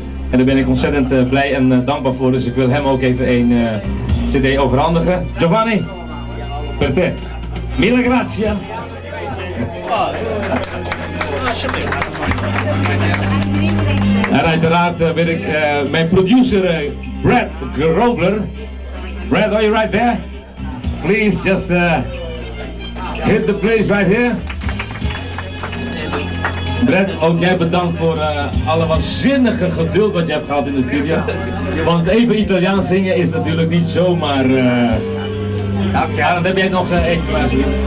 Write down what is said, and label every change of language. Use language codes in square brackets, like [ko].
[nl] En daar ben ik ontzettend blij en dankbaar voor. Dus ik wil hem ook even een cd overhandigen. [it] Giovanni, per te. Mille grazie. [nl] En uiteraard ben ik mijn producer Brad Grobler. [en] Brad, are you right there? Please just hit the place right here. [nl] Brad, ook jij bedankt voor alle waanzinnige geduld wat je hebt gehad in de studio. Want even Italiaans zingen is natuurlijk niet zomaar. Ja, dan heb jij nog één plaats hier.